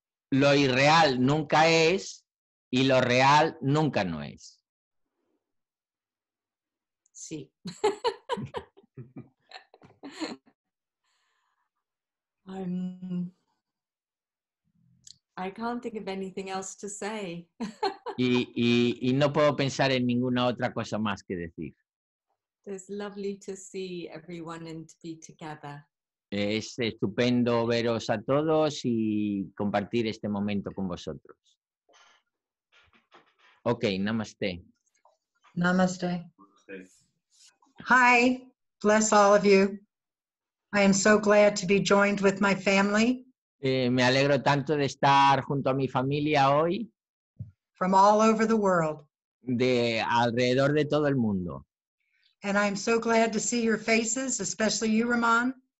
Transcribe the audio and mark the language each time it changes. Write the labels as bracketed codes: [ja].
[es] Lo irreal nunca es y lo real nunca no es. Sí. [en] I can't think of anything else to say. [es] y no puedo pensar en ninguna otra cosa más que decir. [en] It's lovely to see everyone and to be together. [es] Es estupendo veros a todos y compartir este momento con vosotros. [en] Okay, namaste. Namaste. Hi, bless all of you. I am so glad to be joined with my family. [es] Me alegro tanto de estar junto a mi familia hoy. [en] From all over the world. [es] De alrededor de todo el mundo. [en] And I am so glad to see your faces, especially you, Ramón.